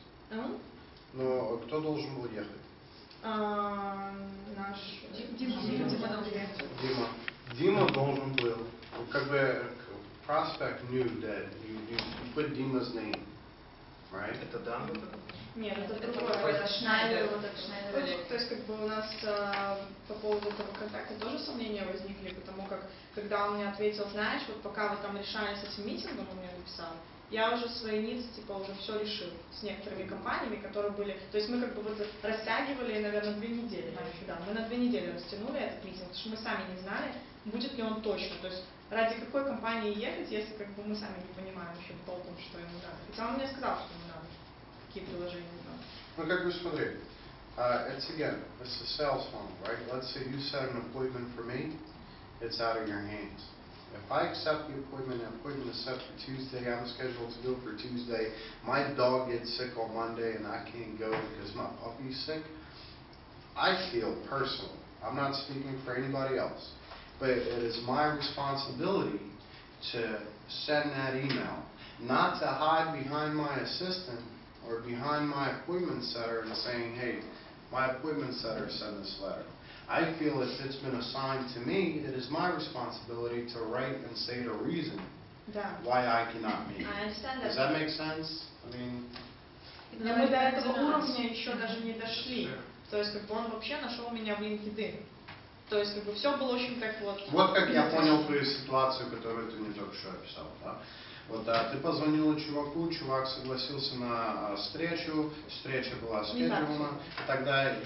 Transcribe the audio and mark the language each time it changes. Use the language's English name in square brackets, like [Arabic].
[English] No. [Russian] Но кто должен был ехать? Наш Дима. Дима должен был. Как бы [English] prospect knew that you put Dima's name, right? [Russian] Это Дан был. Нет, это другое. Это Шнайдер, вот это Шнайдер. То есть как бы у нас по поводу этого контакта тоже сомнения возникли, потому как когда он мне ответил, знаешь, вот пока вы там решали с этим митингом, он мне написал. Я уже свои ниццы, типа, уже все решил с некоторыми компаниями, которые были... То есть мы как бы вот растягивали, наверное, две недели. Да, мы на две недели растянули этот митинг, потому что мы сами не знали, будет ли он точно. То есть ради какой компании ехать, если как бы мы сами не понимаем еще толком, что ему надо. Хотя он мне сказал, что ему надо, какие приложения ему надо. Ну, как бы смотри, [English] it's again, it's a sales funnel, right? Let's say you set an appointment for me, it's out of your hands. If I accept the appointment, and appointment is set for Tuesday, I'm scheduled to go for Tuesday, my dog gets sick on Monday and I can't go because my puppy's sick, I feel personal, I'm not speaking for anybody else, but it is my responsibility to send that email, not to hide behind my assistant or behind my appointment setter and saying, hey, my appointment setter sent this letter. I feel if it's been assigned to me, it is my responsibility to write and say the reason why I cannot meet. I understand that. Does that make sense? I mean... [Russian] Но мы до этого уровня еще даже не дошли. То есть как бы он вообще нашел меня в LinkedIn. То есть как бы все было очень так вот... Вот как я понял твою ситуацию, которую ты мне только что описал, да? Вот, да, ты позвонила чуваку, чувак согласился на встречу была скеджерована, тогда ответ